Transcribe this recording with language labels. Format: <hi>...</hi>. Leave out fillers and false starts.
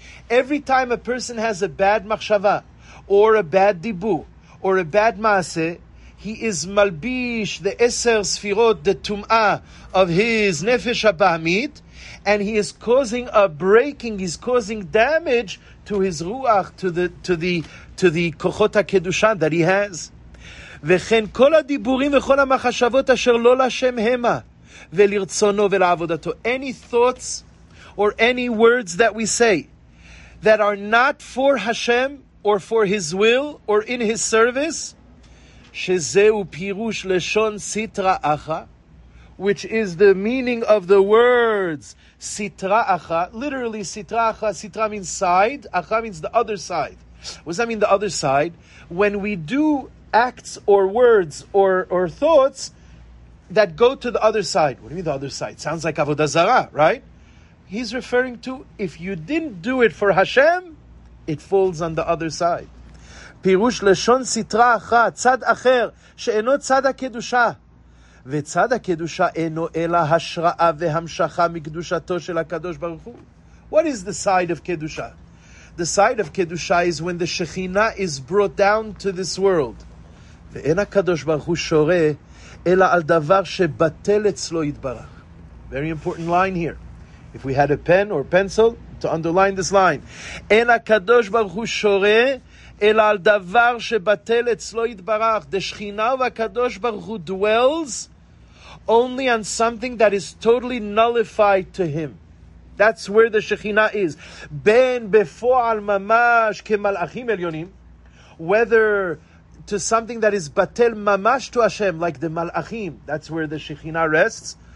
<en>Every time a person has a bad machshava, or a bad dibu, or a bad maaseh, he is malbish, the eser sfirot, the tum'ah of his nefesh habahamit, and he is causing a breaking, he's causing damage to his ruach, to the kochot ha-kedushan that he has.</en> <he>וכן כל הדיבורים וכל המחשבות אשר לא לשם המה, ולרצונו ולעבודתו.</he> <en>Any thoughts or any words that we say that are not for Hashem or for his will or in his service,</en> <he>שזהו פירוש לשון סיטרא אחא,</he> <en>which is the meaning of the words סיטרא אחא, literally סיטרא אחא, סיטרא means side, אחא means the other side. What does that mean, the other side? When we do acts or words or thoughts that go to the other side. What do you mean the other side? Sounds like Avodah Zarah, right? He's referring to, if you didn't do it for Hashem, it falls on the other side.</en> <he>פירוש לשון סיטרא אחא, צד אחר, שאינו צד הקדושה. וצד הקדושה אינו אלא השראה והמשכה מקדושתו של הקדוש ברוך הוא.</he> <en>What is the side of קדושה? The side of קדושה is when the שכינה is brought down to this world.</en> <he>ואין הקדוש ברוך הוא שורה, אלא על דבר שבטל אצלו יתברך.</he> <en>Very important line here. If we had a pen or pencil to underline this line.</en> <he>אין הקדוש ברוך הוא שורה, אלא על דבר שבטל אצלו יתברך.</he> <en>The שכינה</en> <he>והקדוש ברוך הוא</he> <en>dwells only on something that is totally nullified to him. That's where the שכינה is.</en> <he>בין בפועל ממש כמלאכים עליונים,</he> <en>whether to something that is batel ממש to Hashem, like the מלאכים, that's where the שכינה rests.</en>